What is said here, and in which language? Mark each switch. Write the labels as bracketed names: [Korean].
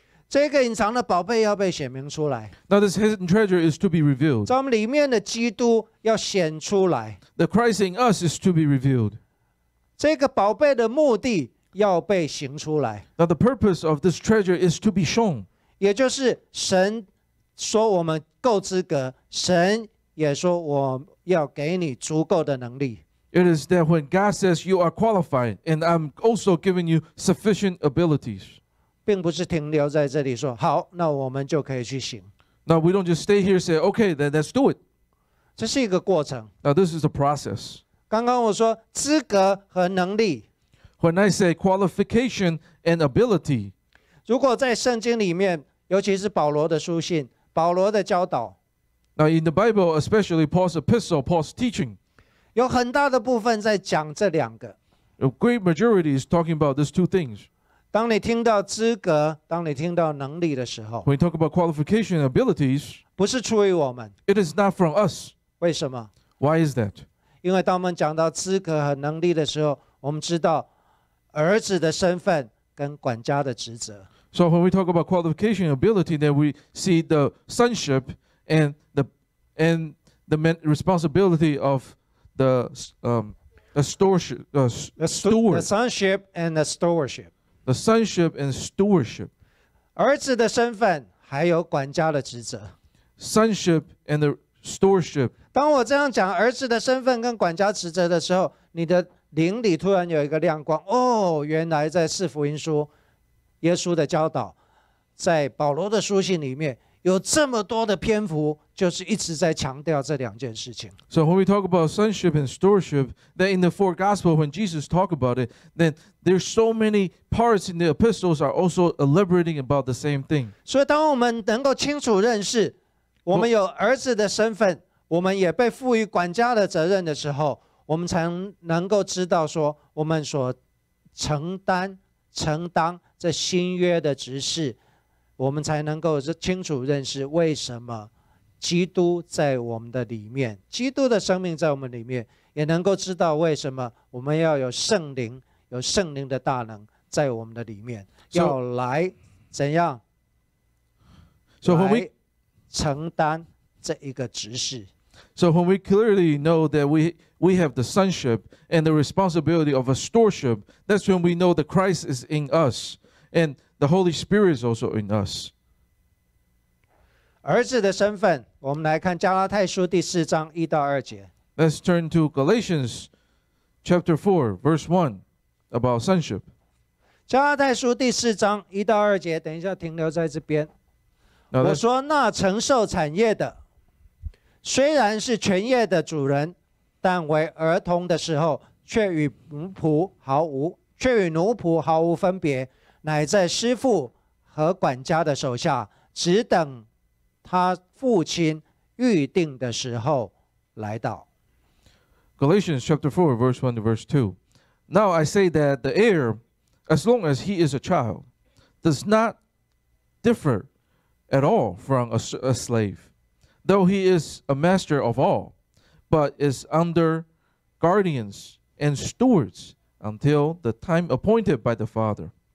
[Chinese] 这个隐藏的宝贝要被显明出来。 [English] Now this hidden treasure is to be revealed. [Chinese] 在我们里面的基督要显出来。 [English] The Christ in us is to be revealed. [Chinese] 这个宝贝的目的要被显出来。 [English] Now the purpose of this treasure is to be shown. [Chinese] 也就是神说我们够资格，神也说我要给你足够的能力。 [English] It is that when God says you are qualified, and I'm also giving you sufficient abilities. [Chinese] 并不是停留在这里说好，那我们就可以去行。 [English] No, we don't just stay here and say, okay, then let's do it. [Chinese] 这是一个过程。 [English] Now, this is a process. [Chinese] 刚刚我说资格和能力。 [English] When I say qualification and ability, [Chinese] 如果在圣经里面尤其是保罗的书信，保罗的教导。 [English] Now in the Bible, especially Paul's epistle, Paul's teaching, [Chinese] 有很大的部分在讲这两个。 [English] A great majority is talking about these two things. [Chinese] 当你听到资格，当你听到能力的时候 [English] ，When you talk about qualification and abilities, [Chinese] 不是出于我们 [English] ，It is not from us. [Chinese] 为什么 [English] ？Why is that? [Chinese] 因为当我们讲到资格和能力的时候，我们知道儿子的身份跟管家的职责。 [English] So when we talk about qualification and ability, then we see the sonship and the responsibility of the stewardship. The sonship and the stewardship. The sonship and stewardship. [Chinese] 儿子的身份还有管家的职责。 [English] Sonship and the stewardship. [Chinese] 当我这样讲儿子的身份跟管家职责的时候，你的灵里突然有一个亮光。哦，原来在四福音书。耶稣的教导在保罗的书信里面有这么多的篇幅，就是一直在强调这两件事情。 [English] So when we talk about sonship and stewardship, then in the four gospels, when Jesus talked about it, then there's so many parts in the epistles are also elaborating about the same thing. [Chinese] 所以当我们能够清楚认识我们有儿子的身份，我们也被赋予管家的责任的时候，我们才能够知道说我们所承担承当这新约的执事，我们才能够清楚认识为什么基督在我们的里面，基督的生命在我们里面，也能够知道为什么我们要有圣灵，有圣灵的大能在我们的里面，要来怎样来承担这一个执事。 [English] So when we clearly know that we have the sonship and the responsibility of a stewardship, that's when we know that Christ is in us and the Holy Spirit is also in us. [Chinese] 儿子的身份，我们来看加拉太书第四章一到二节。 [English] Let's turn to Galatians chapter 4, verse 1 about sonship. [Chinese] 加拉太书第四章一到二节，等一下停留在这边。我说那承受产业的虽然是全业的主人，但为儿童的时候却与奴仆毫无分别，乃在师父和管家的手下，只等他父亲预定的时候来到。 [English] Galatians chapter 4 verse 1 to verse 2. Now I say that the heir, as long as he is a child, does not differ at all from a slave, though he is a master of all, but is under guardians and stewards until the time appointed by the father.